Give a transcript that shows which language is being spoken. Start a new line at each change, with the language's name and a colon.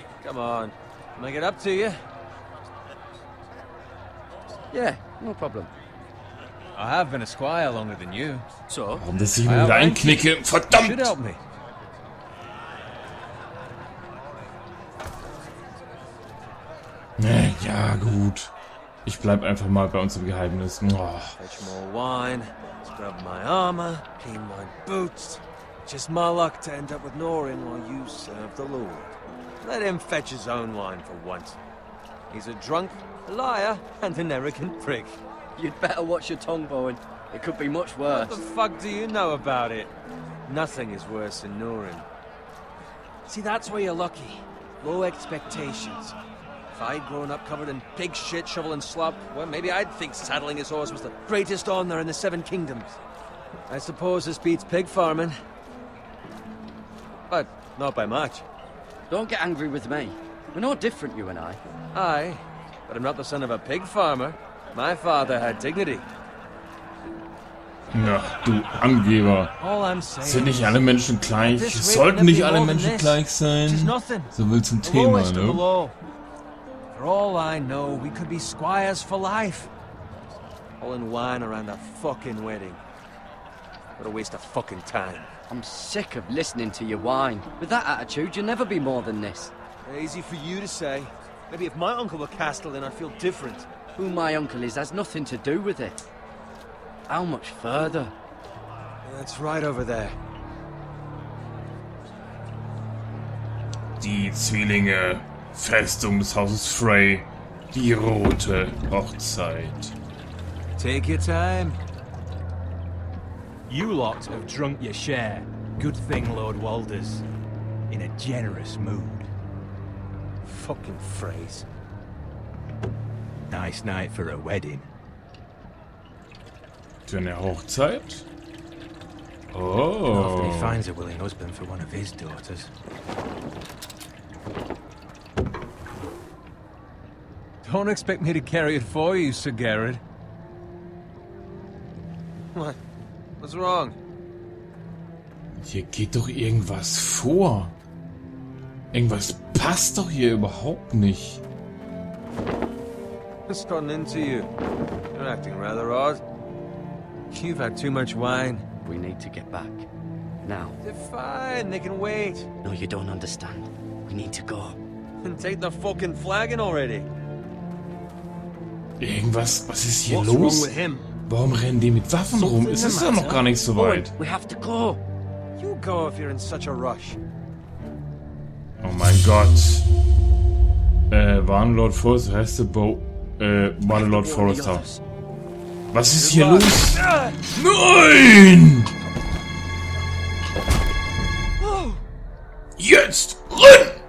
English: Come on, can I get up to you? Yeah, no problem. I have been a squire longer than you. So?
German: Warum das ich mir reinknicke? Verdammt!
English: You should help me.
German: Ja, gut. Ich bleib einfach mal bei unserem Geheimnis.
English: Oh. Fetch more wine, scrub my armor, clean my boots. Just my luck to end up with Norin while you serve the Lord. Let him fetch his own wine for once. He's a drunk, a liar, and an arrogant prick. You'd better watch your tongue, Bowen. It could be much worse. What the fuck do you know about it? Nothing is worse than Norin. See, that's where you're lucky. Low expectations. If I'd grown up covered in pig shit, shovel and slop, well, maybe I'd think saddling his horse was the greatest honor in the Seven Kingdoms. I suppose this beats pig farming. But not by much. Don't get angry with me. We're no different, you and I. Aye, but I'm not the son of a pig farmer. My father had dignity.
German: Ach, du Angeber. Sind nicht alle Menschen gleich? Sollten nicht alle Menschen gleich sein? So will zum Thema, ne?
English: For all I know, we could be squires for life. All in wine around a fucking wedding. What a waste of fucking time. I'm sick of listening to your whine. With that attitude, you'll never be more than this. Easy for you to say. Maybe if my uncle were Castle, then I'd feel different. Who my uncle is has nothing to do with it. How much further? That's right over there.
German: Die Zwillinge, Festung des Hauses Frey, die rote Hochzeit.
English: Take your time. You lot have drunk your share. Good thing Lord Walder's in a generous mood. Fucking phrase. Nice night for a wedding.
German: To eine Hochzeit? Oh.
English: Nothing he finds a willing husband for one of his daughters. Don't expect me to carry it for you, Sir Garrett. What? What's wrong?
German: Hier geht doch irgendwas vor. Irgendwas passt doch hier überhaupt nicht.
English: What's gotten into you? You're acting rather odd. You've had too much wine. We need to get back. now. They're fine, they can wait. No, you don't understand. We need to go. And take the fucking flagon already.
German: Irgendwas, was ist hier
English: What's
German: los?
English: Wrong with him?
German: Warum rennen die mit Waffen rum? Es ist doch noch gar nicht so weit.
English: We have to go. You go if you're in such a rush.
German: Oh mein Gott. Waren Lord Forrester, heißt der Bo. War der Lord Forrester. Was ist hier los? Nein! Jetzt! Renn!